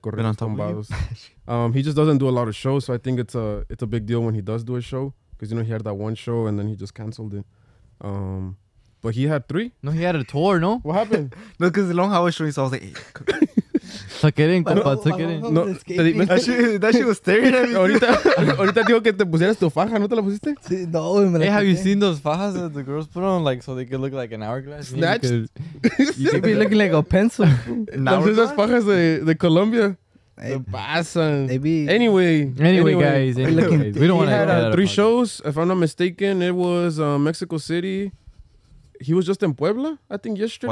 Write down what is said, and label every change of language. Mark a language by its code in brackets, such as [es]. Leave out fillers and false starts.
[es] Corridos Tumbados. [en] He just doesn't do a lot of shows, so I think it's a big deal when he does do a show. Because, you know, he had that one show and then he just canceled it. But he had three? No, he had a tour, no? What happened? No, because the long hour show, so I was like, hey. Tuck it in, compa, tuck it in. No, that shit was staring at me. [es] Ahorita dijo que te pusieras tu faja, ¿no te la pusiste? Sí, no, me la puse. [en] Hey, have you seen those fajas that the girls put on, like, so they could look like an hourglass? Snatched. You could be looking like a pencil. Those are those fajas de Colombia. Anyway, guys. We don't want to have three shows. If I'm not mistaken, it was Mexico City. He was just in Puebla, I think, yesterday.